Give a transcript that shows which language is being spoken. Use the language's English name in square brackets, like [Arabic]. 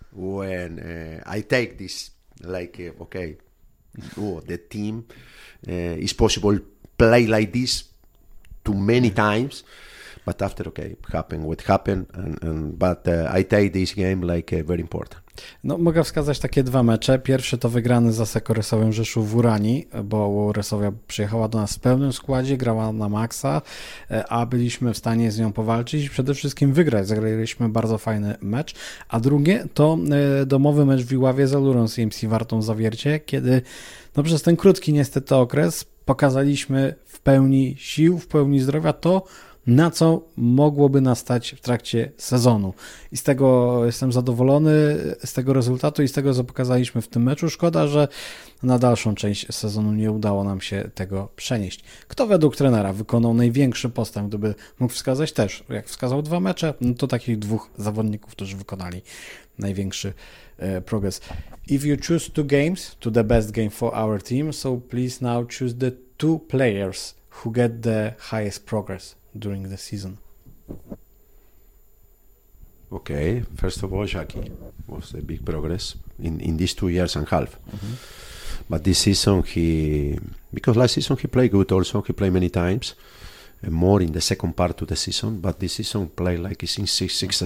[English] When I take this, like, okay, the team is possible, play like this too many times, but after, okay, happened what happened, but I take this game like very important. [Polish] No, mogę wskazać takie dwa mecze. Pierwszy to wygrany z Asseco Resowiem Rzeszów w Urani, bo Resowia przyjechała do nas w pełnym składzie, grała na maksa, a byliśmy w stanie z nią powalczyć i przede wszystkim wygrać. Zagraliśmy bardzo fajny mecz. A drugie to domowy mecz w Iławie z Alurą CMC Wartą Zawiercie, kiedy no, przez ten krótki niestety okres pokazaliśmy w pełni sił, w pełni zdrowia to, na co mogłoby nas stać w trakcie sezonu. I z tego jestem zadowolony, z tego rezultatu i z tego, co pokazaliśmy w tym meczu. Szkoda, że na dalszą część sezonu nie udało nam się tego przenieść. Kto według trenera wykonał największy postęp, gdyby mógł wskazać też, jak wskazał dwa mecze, no to takich dwóch zawodników, którzy wykonali największy progres. [English] If you choose two games to the best game for our team, so please now choose the two players who get the highest progress during the season. Okay, first of all, Jackie was a big progress in these 2 years and a half. Mm-hmm. But this season last season he played good also, he played many times, more in the second part of the season, but this season played like he's in six mm-hmm.